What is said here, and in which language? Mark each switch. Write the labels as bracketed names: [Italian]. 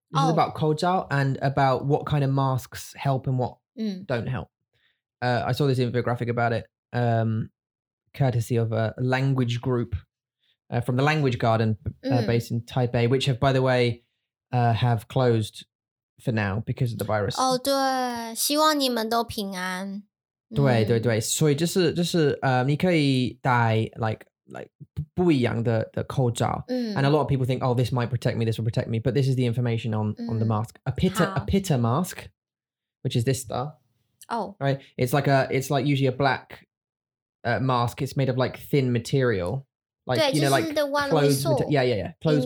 [English] This is about 口罩 and about what kind of masks help and what don't help. I saw this infographic about it. Courtesy of a language group from the Language Garden based in Taipei, which have, by the way, have closed for now because of the virus. [Chinese] Oh, 对，希望你们都平安。对对对，所以就是你可以戴like 不一样的口罩。 [English] And a lot of people think, oh, this might protect me, this will protect me. But this is the information on the mask. A pitta mask, which is this star. Oh. Right? It's like usually a black... mask. It's made of like thin material, like [Chinese] 对, [English] you know, like the one clothes. Clothes